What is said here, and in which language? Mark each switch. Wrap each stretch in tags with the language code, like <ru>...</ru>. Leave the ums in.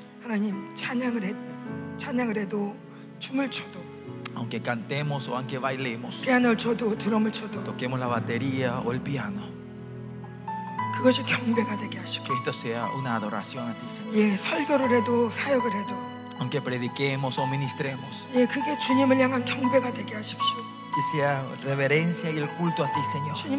<ko>하나님 찬양을 해 찬양을 해도 춤을 춰도</ko> <es>aunque cantemos o aunque bailemos</es> <ko>피아노를 쳐도 드럼을 쳐도</ko> <es>toquemos la batería o el piano</es> <ko>그것이 경배가 되게 하시고</ko> <es>que esto sea una adoración a ti Señor</es> <ko>예 설교를 해도 사역을 해도</ko> <es>aunque prediquemos o ministremos</es> <ko>예 그게 주님을 향한 경배가 되게 하십시오</ko> <es>que sea reverencia y el culto a ti, Señor.</es>